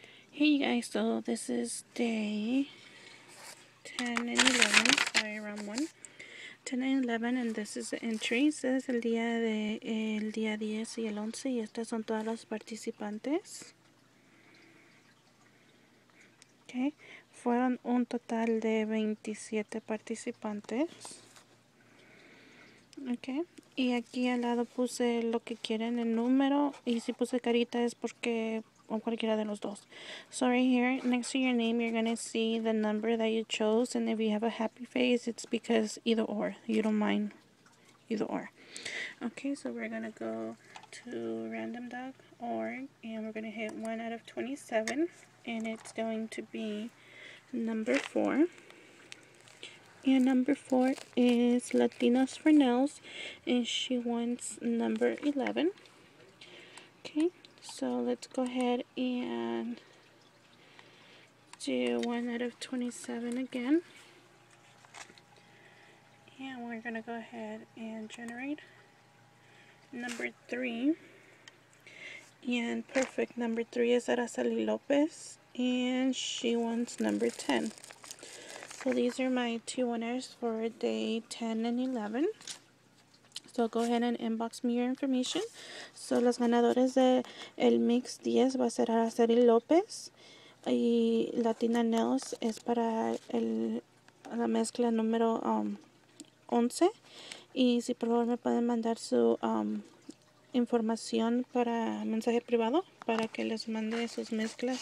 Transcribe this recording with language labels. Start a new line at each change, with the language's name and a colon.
English: Hey guys, so this is day 10 and 11, sorry, round 1. 10 and 11, and this is the entry.
Spanish: Este es el día de el día 10 y el 11, y estas son todas las participantes. Okay, fueron un total de 27 participantes. Okay, y aquí al lado puse lo que quieren, el número, y si puse carita es porque... o cualquiera de los dos.
English: So right here, next to your name, you're gonna see the number that you chose, and if you have a happy face, it's because either or, you don't mind either or. Okay, so we're gonna go to random.org, and we're gonna hit 1 out of 27, and it's going to be number 4. And number 4 is Latinas for Nails, and she wants number 11. Okay. So let's go ahead and do 1 out of 27 again. And we're going to go ahead and generate number 3. And perfect, number 3 is Araceli Lopez. And she wants number 10. So these are my two winners for day 10 and 11. So go ahead and inbox me your information.
Spanish: So los ganadores de el mix 10 va a ser Araceli López. Y Latina Nails es para la mezcla número 11. Y si por favor me pueden mandar su información para mensaje privado para que les mande sus mezclas.